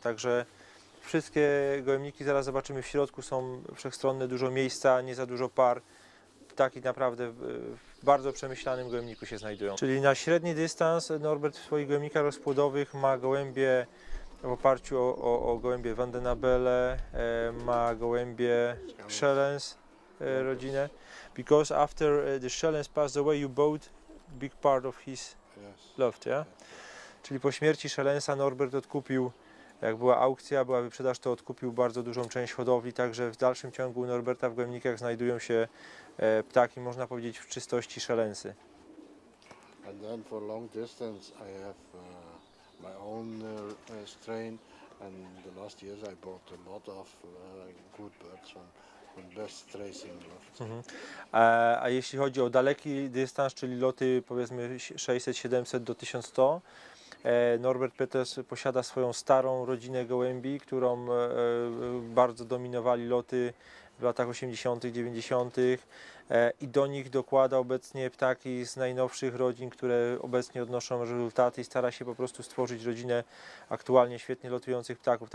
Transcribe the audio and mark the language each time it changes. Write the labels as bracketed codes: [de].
[pl] Także wszystkie gołębniki, zaraz zobaczymy, w środku są wszechstronne, dużo miejsca, nie za dużo par. Tak i naprawdę w bardzo przemyślanym gołębniku się znajdują. Czyli na średni dystans Norbert w swoich gołębnikach rozpłodowych ma gołębie w oparciu o gołębie Vandenabele, ma gołębie Schellens rodzinę. [en] Because after the Schellens passed away, you bought big part of his loft, yeah? [pl] Czyli po śmierci Schellensa Norbert odkupił, jak była aukcja, była wyprzedaż, to odkupił bardzo dużą część hodowli, także w dalszym ciągu Norberta w gołębnikach znajdują się ptaki, można powiedzieć, w czystości Schellensy. [en] And then for long distance I have my own strain, and the last years I bought a lot of good birds from best tracing lofts. Mm-hmm. [pl] A jeśli chodzi o daleki dystans, czyli loty powiedzmy 600-700 do 1100, Norbert Peters posiada swoją starą rodzinę gołębi, którą bardzo dominowali loty w latach 80-tych, 90-tych i do nich dokłada obecnie ptaki z najnowszych rodzin, które obecnie odnoszą rezultaty i stara się po prostu stworzyć rodzinę aktualnie świetnie lotujących ptaków.